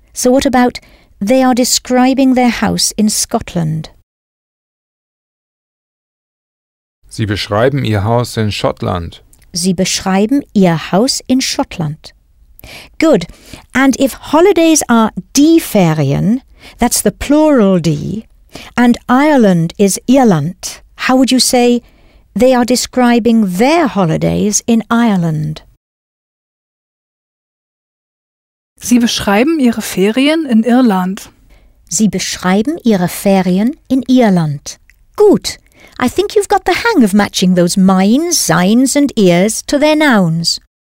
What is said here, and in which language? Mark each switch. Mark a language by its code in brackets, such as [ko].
[en] So what about they are describing their house in Scotland? [de] Sie beschreiben ihr Haus in Schottland. Sie beschreiben ihr Haus in Schottland. [en] Good. And if holidays are die Ferien, that's the plural die, and Ireland is Irland, how would you say they are describing their holidays in Ireland? [de] Sie beschreiben ihre Ferien in Irland. Sie beschreiben ihre Ferien in Irland. Gut. [en] I think you've got the hang of matching those minds, seins and ears to their nouns.